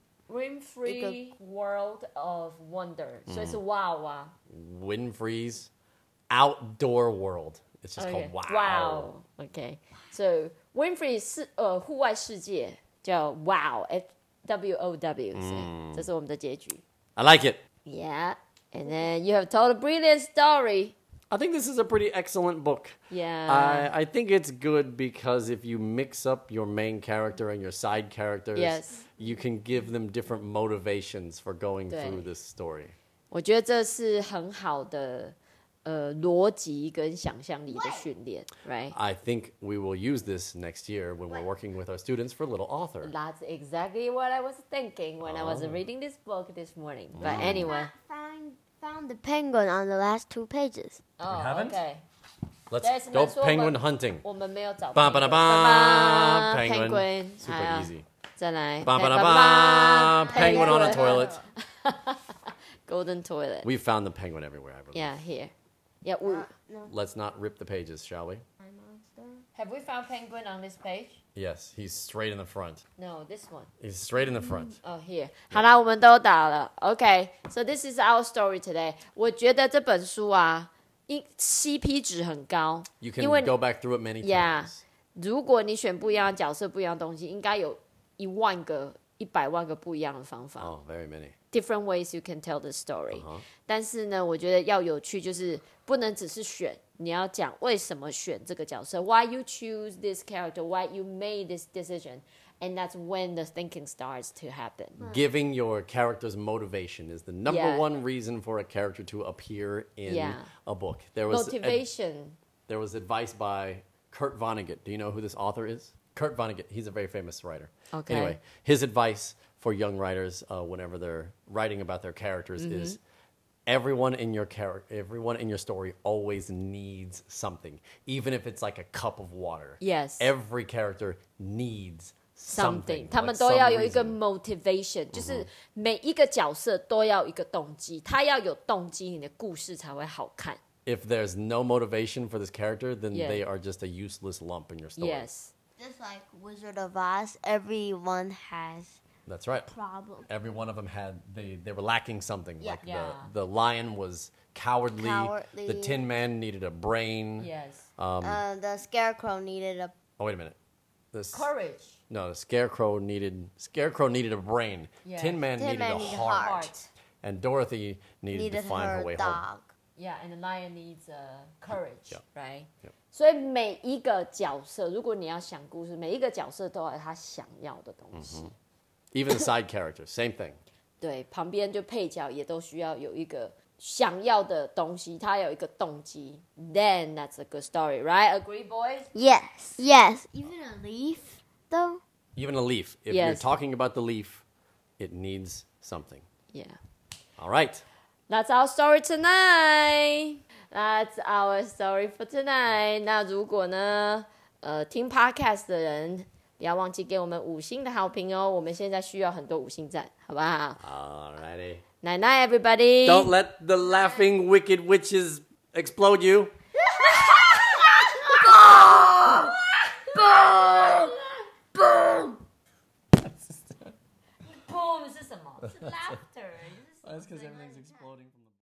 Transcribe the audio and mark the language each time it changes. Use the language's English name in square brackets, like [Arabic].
[English] Winfrey World of Wonder, so it's wow. Winfrey's Outdoor World, it's just called wow. Wow, okay. So Winfrey's [Chinese] 户外世界, 叫 wow, W-O-W, so 这是我们的结局. [English] I like it. Yeah, and then you have told a brilliant story. I think this is a pretty excellent book. Yeah. I think it's good because if you mix up your main character and your side characters, yes. You can give them different motivations for going through this story. [Chinese] 我觉得这是很好的逻辑跟想象力的训练, [English] right? I think we will use this next year when we're working with our students for Little Author. That's exactly what I was thinking when I was reading this book this morning. But anyway. Found the penguin on the last two pages. Oh, we haven't? Okay. Let's go penguin hunting. [Chinese] 我们没有找到。 Ba ba ba [English] penguin. Super easy. [Chinese] 再来。 [English] Ba ba ba penguin on a toilet. Golden toilet. We found the penguin everywhere, I believe. Yeah, here. Yeah, no. Let's not rip the pages, shall we? Have we found penguin on this page? Yes, he's straight in the front. No, this one. He's straight in the front. Oh, here. Yeah. [Chinese] 好啦，我们都打了。 [English] Okay, so this is our story today. [Chinese] 我觉得这本书啊 ，CP 值很高。 [English] You can go back through it many times. [Chinese] Yeah, 如果你选不一样的角色、不一样的东西，应该有一万个、一百万个不一样的方法。 [English] Oh, very many. Different ways you can tell the story.、 [Chinese] 但是呢，我觉得要有趣，就是不能只是选。你要讲为什么选这个角色 ？ [English] Why you choose this character? Why you made this decision? And that's when the thinking starts to happen. Giving your character's motivation is the number one reason for a character to appear in a book. There was motivation. There was advice by Kurt Vonnegut. Do you know who this author is? Kurt Vonnegut. He's a very famous writer. Okay. Anyway, his advice for young writers, whenever they're writing about their characters, is. Everyone in your story always needs something, even if it's like a cup of water. Yes. Every character needs something. [Chinese] 他们都要有一个 motivation, 就是每一个角色都要一个动机。他要有动机，你的故事才会好看。 [English] If there's no motivation for this character, then they are just a useless lump in your story. Yes. Just like Wizard of Oz, everyone has... That's right. Problem. Every one of them had, they were lacking something. Yeah. Like the lion was cowardly. Cowardly. The tin man needed a brain. Yes. The scarecrow needed a... Oh, wait a minute. Courage. No, the scarecrow needed a brain. Yes. Tin man needed a heart. And Dorothy needed to find her way home. Yeah, and the lion needs courage, right? Yep. [Chinese] 所以每一个角色，如果你要想故事，每一个角色都有他想要的东西。 Mm-hmm. [English] Even the side characters, same thing. [Chinese] 对，旁边就配角也都需要有一个想要的东西，他有一个动机。 [English] Then that's a good story, right? Agree, boys? Yes. Yes. Even a leaf, though? Even a leaf. If you're talking about the leaf, it needs something. Yeah. All right. That's our story tonight. That's our story for tonight. [Chinese] 那如果呢，听 podcast 的人不要忘记给我们五星的好评哦！我们现在需要很多五星赞，好不好 [English] ？Alrighty, night night, everybody. Don't let the laughing wicked witches explode you. Boom! Boom! Boom! [Chinese] Boom! 是什么？是 laughter. [English] That's because everything's exploding.